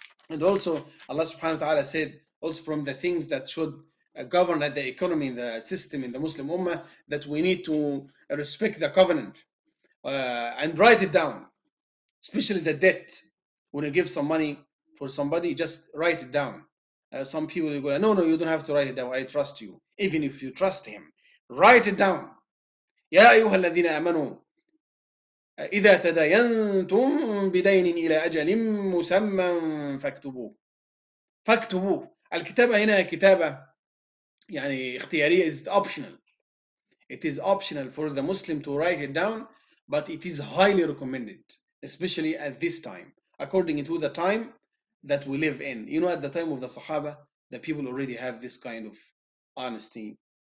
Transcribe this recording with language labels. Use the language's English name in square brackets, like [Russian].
[English] And also, Allah subhanahu wa ta'ala said, also from the things that should govern the economy, the system in the Muslim Ummah, that we need to respect the covenant and write it down, especially the debt. When you give some money for somebody, just write it down. Some people will go, no, no, you don't have to write it down. I trust you. Even if you trust him, write it down. [Arabic] Ya ayyuha alladhina amanu. إذا تداينتم بدين إلى أجل مسمى فاكتبوه فاكتبوه. الكتابة هنا كتابة يعني اختيارية, [English] is optional. It is optional for the Muslim to write it down, but it is highly recommended, especially at this time, according to the time that we live in. You know, at the time of the Sahaba, the people already have this kind of honesty.